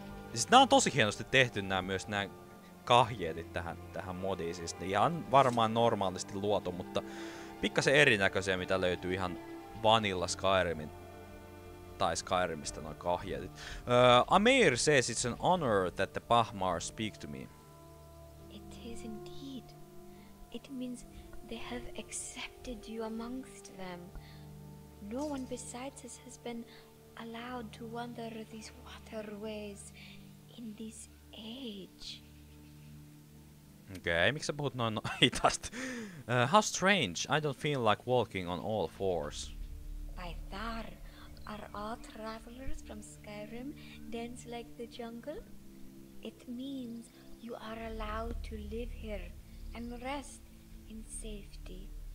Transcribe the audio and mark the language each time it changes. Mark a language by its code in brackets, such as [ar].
[fi] Siis nää on tosi hienosti tehty nää myös nää kahjeetit tähän modiin. Siis ihan varmaan normaalisti luotu, mutta pikkasen erinäköisiä mitä löytyy ihan vanilla Skyrimin tai Skyrimistä noin kahjeetit. [en] Amir says it's an honor that the Pahmar speak to me. It is indeed. It means they have accepted you amongst them. No one besides us has been allowed to wander these waterways in this age. [fi] Okay, miksi sä puhut noin hitaasti? [en] How strange, I don't feel like walking on all fours. By Thar, are all travelers from Skyrim dense like the jungle? It means you are allowed to live here and rest in safety.